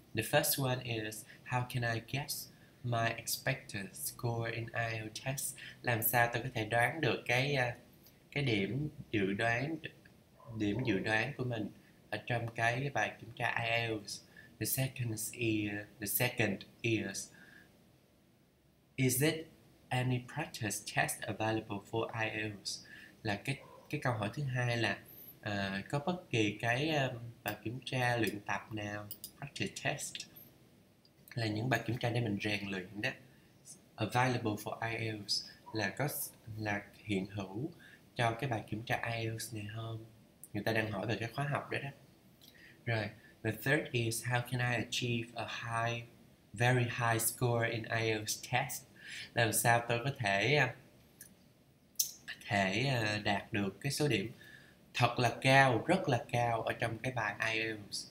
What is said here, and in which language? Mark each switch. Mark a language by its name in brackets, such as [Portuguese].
[English] The first one is, how can I guess my expected score in IELTS test? [Vietnamese] Làm sao tôi có thể đoán được cái điểm dự đoán của mình ở trong cái bài kiểm tra IELTS? [English] The second is it any practice test available for IELTS? [Vietnamese] Là cái câu hỏi thứ hai là có bất kỳ cái bài kiểm tra luyện tập nào, practice test, là những bài kiểm tra để mình rèn luyện đó, [English] available for IELTS, [Vietnamese] là hiện hữu cho cái bài kiểm tra IELTS này không? Người ta đang hỏi về cái khóa học đó đó. Rồi, [English] the third is how can I achieve a high, very high score in IELTS test? [Vietnamese] Làm sao tôi có thể đạt được cái số điểm thật là cao, rất là cao ở trong cái bài IELTS?